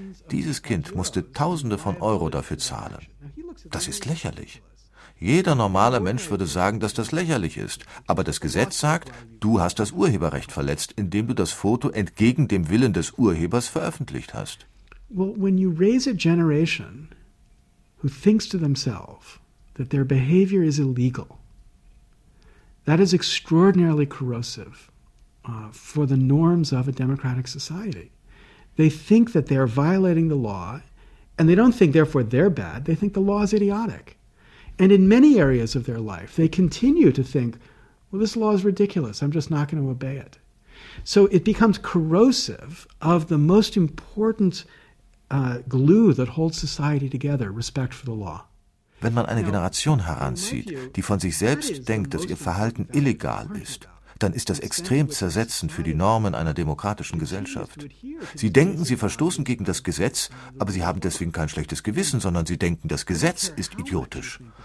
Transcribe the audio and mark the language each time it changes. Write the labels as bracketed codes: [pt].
[de] Dieses Kind musste Tausende von Euro dafür zahlen. Das ist lächerlich. Jeder normale Mensch würde sagen, dass das lächerlich ist. Aber das Gesetz sagt, du hast das Urheberrecht verletzt, indem du das Foto entgegen dem Willen des Urhebers veröffentlicht hast. [en] Well, when you raise a generation who thinks to themselves that their behavior is illegal, that is extraordinarily corrosive for the norms of a democratic society. They think that they are violating the law, and they don't think, therefore, they're bad. They think the law is idiotic. And in many areas of their life, they continue to think, well, this law is ridiculous. I'm just not going to obey it. So it becomes corrosive of the most important glue that holds society together, respect for the law. [de] Wenn man eine Generation heranzieht, die von sich selbst denkt, dass ihr Verhalten illegal ist, dann ist das extrem zersetzend für die Normen einer demokratischen Gesellschaft. Sie denken, sie verstoßen gegen das Gesetz, aber sie haben deswegen kein schlechtes Gewissen, sondern sie denken, das Gesetz ist idiotisch.